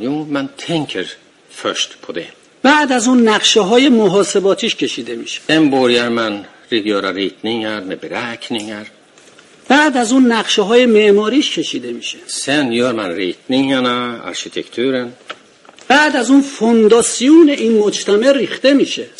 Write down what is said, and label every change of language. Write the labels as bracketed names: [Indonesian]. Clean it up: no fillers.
[Swedish] Jo, man tänker först på det. [Persian] بعد از اون نقشه های محاسباتیش کشیده میشه. [Swedish] Sen börjar man göra ritningar, med beräkningar. [Persian] بعد از اون نقشه های معماریش کشیده میشه. [Swedish] Sen gör man ritningarna, arkitekturen. [Persian] بعد از اون فونداسیون این مجتمع ریخته میشه.